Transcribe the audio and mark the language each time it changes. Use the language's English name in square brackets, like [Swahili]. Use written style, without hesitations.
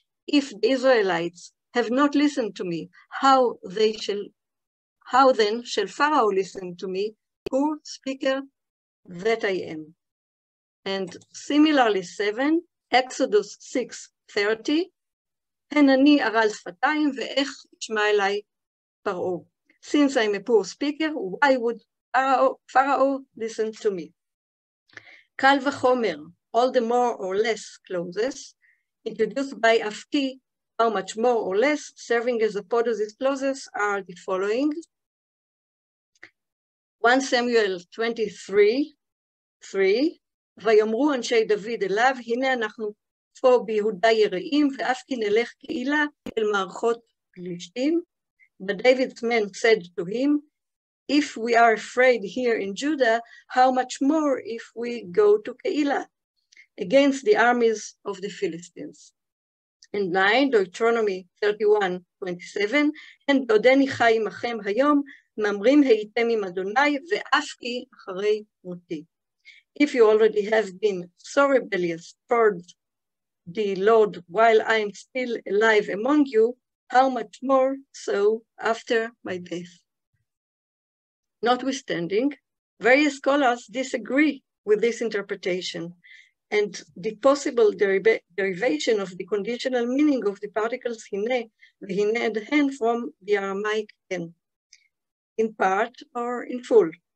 [English] If the Israelites have not listened to me, how then shall Pharaoh listen to me, poor speaker that I am? And similarly, seven, Exodus 6:30, [Hebrew] הן אני ערל שפתיים, ואיך שמע אליי פרעו. [English] Since I'm a poor speaker, why would Pharaoh listen to me? Kal v'chomer, all the more or less clauses, introduced by Afki, how much more or less, serving as a podosis clauses, are the following. 1 Samuel 23:3, [Hebrew] ויאמרו אנשי דוד אליו, הנה אנחנו פה ביהודה יראים, ואף כי נלך קהילה אל מערכות פלישתים. [English] But David's men said to him, if we are afraid here in Judah, how much more if we go to Keilah against the armies of the Philistines? And 9, Deuteronomy 31:27, and [Hebrew] עודני חי עמכם היום, ממרים הייתם עם אדוני ואף כי אחרי מותי. [English] If you already have been so rebellious towards the Lord while I am still alive among you, how much more so after my death. Notwithstanding, various scholars disagree with this interpretation and the possible derivation of the conditional meaning of the particles hine, hine and hen from the Aramaic hen, in part or in full.